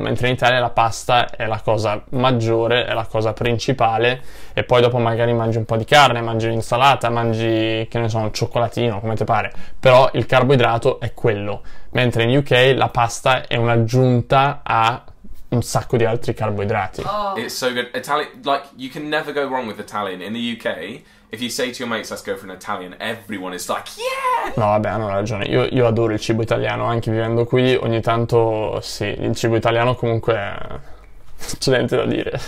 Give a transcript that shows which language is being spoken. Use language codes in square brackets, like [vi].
[it] Mentre in Italia la pasta è la cosa maggiore, è la cosa principale, e poi dopo magari mangi un po' di carne, mangi un'insalata, mangi, che ne so, un cioccolatino, come te pare. Però il carboidrato è quello. Mentre in UK la pasta è un'aggiunta a un sacco di altri carboidrati. [en] Oh. It's so good. Italian, like, you can never go wrong with Italian. In the UK, if you say to your mates, let's go for an Italian, everyone is like, yeah! [it] No, vabbè, hanno ragione. Io adoro il cibo italiano, anche vivendo qui. Ogni tanto, sì, il cibo italiano comunque c'è niente da dire.